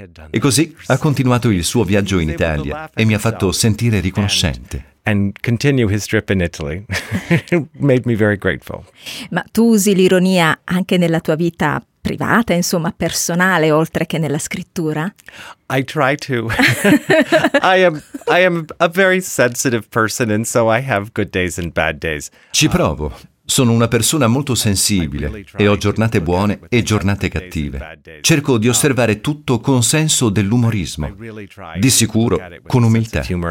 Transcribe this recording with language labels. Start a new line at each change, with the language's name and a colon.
Italian: E così ha continuato il suo viaggio in Italia e mi ha fatto sentire riconoscente.
English: And continue his trip in Italy. Made me very grateful.
Italian: Ma tu usi l'ironia anche nella tua vita privata, insomma, personale, oltre che nella scrittura?
English: I try to. I am a very sensitive person and so I have good days and bad days.
Italian: Ci provo. Sono una persona molto sensibile e ho giornate buone e giornate cattive. Cerco di osservare tutto con senso dell'umorismo, di sicuro con umiltà.